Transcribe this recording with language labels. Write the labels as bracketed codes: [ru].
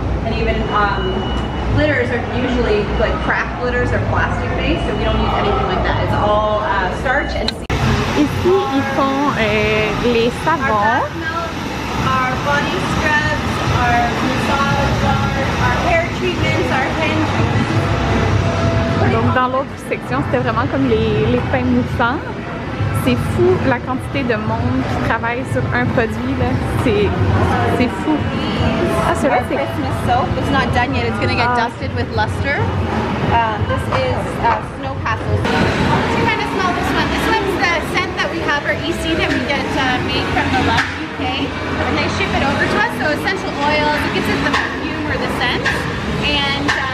[en] And even glitters are usually, like craft glitters are plastic-based, so we don't use anything like that. It's all starch and sea. [fr] Ici, ils font les savons. [en] Our body scrubs, our massage, our hair treatments, our hand treatments. [fr] Donc dans l'autre section, c'était vraiment comme les pains moussants. C'est fou la quantité de monde qui travaille sur un produit là. C'est fou. Ah, c'est vrai, c'est [en] Christmas soap. It's not done yet. It's gonna get dusted with luster. This is snow castles. What do you kind of smell this one? This one's the scent that we have, our EC that we get made from the Lush UK, and they ship it over to us. So essential oils, it gives it the perfume or the scent, and